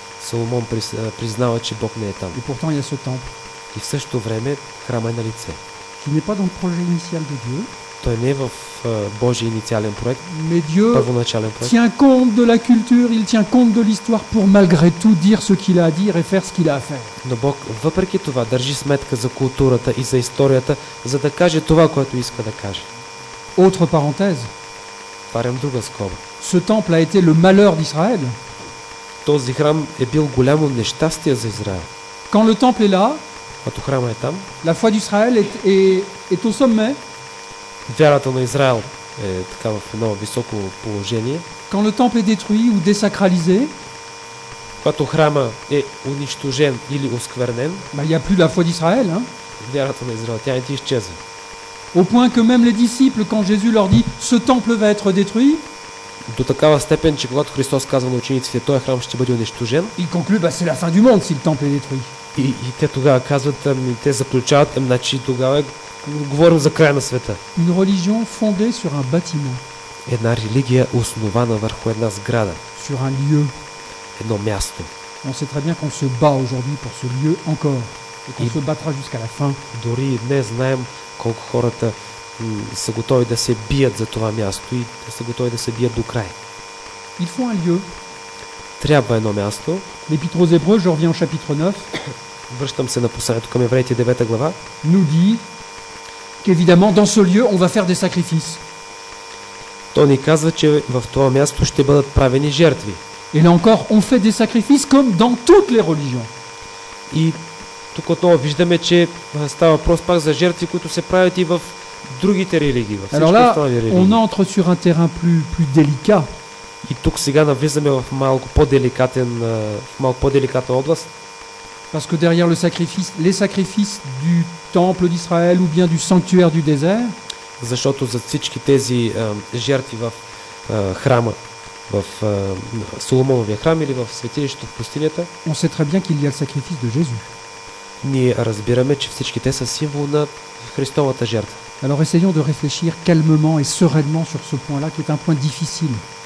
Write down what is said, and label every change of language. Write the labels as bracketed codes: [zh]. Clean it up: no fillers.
[bg] Salomon признава, че Бог не е там. [fr] Et pourtant il y a ce temple. [bg] И в същото време храма е на лице. [fr] Qui n'est pas dans le projet initial de Dieu. [bg] Той не е в Божия инициален проект. [fr] Mais Dieu [bg] първоначален проект. [fr] Tient compte de la culture, il tient compte de l'histoire pour malgré tout dire ce qu'il a à dire et faire ce qu'il a à faire. [bg] Но Бог въпреки това държи сметка за културата и за историята, за да каже това, което иска да каже. [fr] Autre parenthèse. [bg] Парем друга скоба. [fr] Ce temple a été le malheur d'Israël. [bg] Този храм е бил голямо нещастие за Израел. [fr] Quand le temple est là, [bg] като храма е там, [fr] la foi d'Israël est au sommet. [bg] Вярата на Израел е така в едно високо положение. [fr] Quand le temple est détruit ou désacralisé, [bg] когато храма е унищожен или осквернен, [fr] bah, il y a plus la foi d'Israël, hein? [bg] Вярата на Израел, тя е изчезва. [fr] Au point que même les disciples, quand Jésus leur dit ce temple va être détruit, [bg] до такава степен, че когато Христос казва на учениците, този храм ще бъде унищожен, [fr] ils concluent, bah, c'est la fin du monde si le temple est détruit. [bg] И те тогава казват, ами, те заключават, значи тогава говорим за края на света. [fr] Une religion fondée sur un bâtiment. [bg] Една религия основана върху една сграда. [fr] Sur un lieu. [bg] Едно място. [fr] On sait très bien qu'on se bat aujourd'hui pour ce lieu encore. Et qu'on se battra jusqu'à la fin. [bg] Дори и днес знаем колко хората са готови да се бият за това място и са готови да се бият до край. [fr] Il faut un lieu. [bg] Трябва едно място. [fr] L'Épître aux Hébreux, je reviens au chapitre 9. [bg] Връщам се на посланието към Евреите 9 глава. [fr] Nous dit qu'évidemment dans ce lieu on va faire des sacrifices. [bg] Той ни казва, че в това място ще бъдат правени жертви. [fr] Et là encore on fait des sacrifices comme dans toutes les religions. [bg] И тук отново виждаме, че става въпрос пак за жертви, които се правят и в другите религии, в всички останали религии. [fr] On entre sur un terrain plus délicat. [bg] И тук сега навлизаме в малко по-деликатен, в малко по-деликатна област. [fr] Parce que derrière les sacrifices du temple d'Israël ou bien du sanctuaire du désert, [bg] защото за всички тези жертви в храма, в Соломоновия храм или в светилището в пустинята, [fr] on sait très bien qu'il y a le sacrifice de Jésus. [bg] Ние разбираме, че всички те са символ на Христовата жертва. [fr] Alors essayons de réfléchir calmement et sereinement sur ce point-là qui est un point difficile.